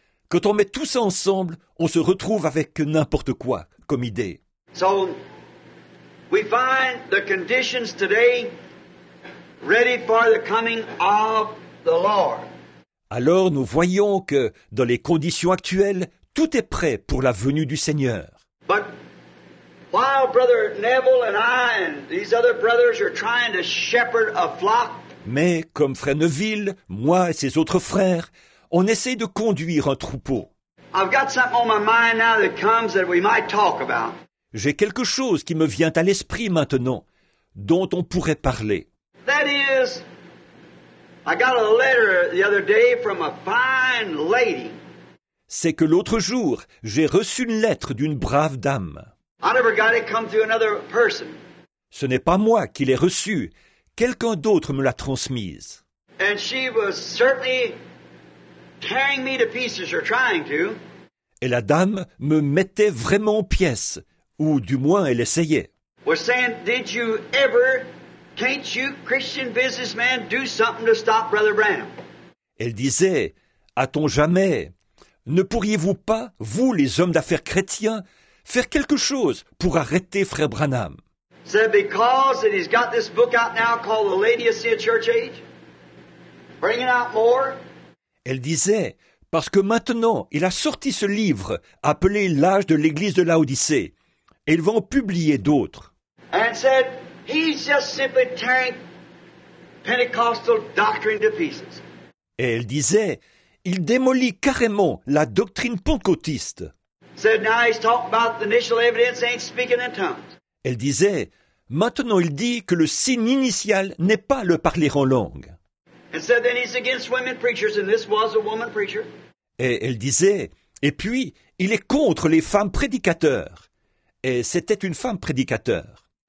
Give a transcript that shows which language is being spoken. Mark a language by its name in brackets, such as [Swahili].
[French] Quand on met tout ça ensemble, on se retrouve avec n'importe quoi comme idée. [English] So, we find the conditions today ready for the coming of the Lord. [French] Alors nous voyons que dans les conditions actuelles, tout est prêt pour la venue du Seigneur. [English] But while Brother Neville and I and these other brothers are trying to shepherd a flock, [French] mais comme Frère Neville, moi et ses autres frères, on essaie de conduire un troupeau. [English] I've got something on my mind now that comes that we might talk about. [French] J'ai quelque chose qui me vient à l'esprit maintenant, dont on pourrait parler. [English] That is, I got a letter the other day from a fine lady. [French] C'est que l'autre jour, j'ai reçu une lettre d'une brave dame. [English] I never got it come through another person. [French] Ce n'est pas moi qui l'ai reçue, quelqu'un d'autre me l'a transmise. [English] And she was certainly tearing me to pieces or trying to. [French] Et la dame me mettait vraiment en pièces. Ou du moins, elle essayait. [English] We're saying, did you ever, can't you, Christian businessman, do something to stop Brother Branham? [French] Elle disait, a-t-on jamais, ne pourriez-vous pas, vous, les hommes d'affaires chrétiens, faire quelque chose pour arrêter Frère Branham? [English] Said, because that he's got this book out now called The Laodicea Church Age, bringing out more. [French] Elle disait, parce que maintenant, il a sorti ce livre appelé L'âge de l'Église de Laodicée. Et ils vont publier d'autres. [English] And said, he's just simply tearing Pentecostal doctrine to pieces. [French] Et elle disait, il démolit carrément la doctrine pentecôtiste. [English] Said, now he's talking about the initial evidence ain't speaking in tongues. [French] Elle disait, maintenant il dit que le signe initial n'est pas le parler en langue. [English] And said, then he's against women preachers, and this was a woman preacher. [French] Et elle disait, et puis il est contre les femmes prédicateurs. Et c'était une femme prédicateur.